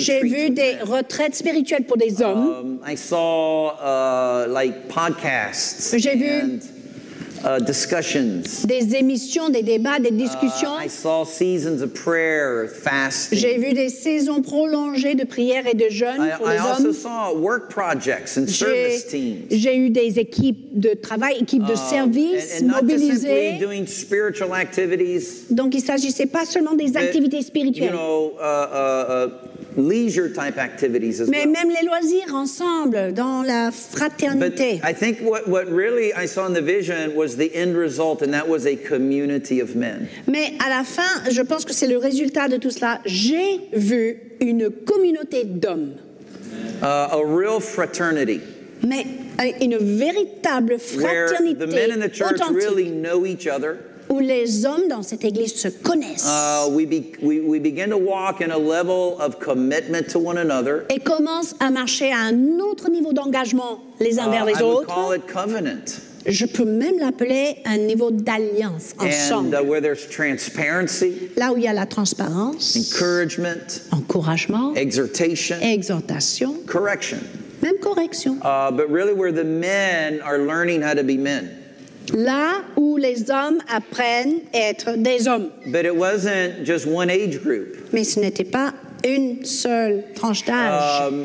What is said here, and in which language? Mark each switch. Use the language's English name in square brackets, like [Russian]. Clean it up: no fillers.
[French] J'ai vu des retraites spirituelles pour des hommes. [English] I saw like podcasts. [French] J'ai vu [English] discussions. [French] Des émissions, des débats, des discussions. [English] I saw seasons of prayer, fasting. [French] J'ai vu des saisons prolongées de prière et de jeûne pour les hommes. [English] I also saw work projects and service teams. [French] J'ai eu des équipes de travail, équipes de service mobilisées. [English] And not just doing spiritual activities. [French] Donc il s'agissait pas seulement des activités spirituelles. [English] You know, leisure type activities as [French] Mais [English] well. [French] Même les loisirs ensemble dans la fraternité. [English] But I think what really I saw in the vision was the end result, and that was a community of men. [French] Mais à la fin, je pense que c'est le résultat de tout cela. J'ai vu une communauté d'hommes. [English] A real fraternity. [French] Mais une véritable fraternité authentique. [English] The men in the church [French] authentique. [English] Really know each other. [French] Où les hommes dans cette église se connaissent. [English] We begin to walk in a level of commitment to one another. [French] Et commencent à marcher à un autre niveau d'engagement les uns vers les [English] I [French] autres. [English] I would call it covenant. [French] Je peux même l'appeler un niveau d'alliance ensemble. [English] And where there's transparency. [French] Là où il y a la transparence. [English] Encouragement. [French] Encouragement. [English] Exhortation. [French] Exhortation. [English] Correction. [French] Même correction. [English] But really where the men are learning how to be men. [French] Là où les hommes apprennent à être des hommes. [English] But it wasn't just one age group. [French] Mais ce n'était pas une seule tranche d'âge.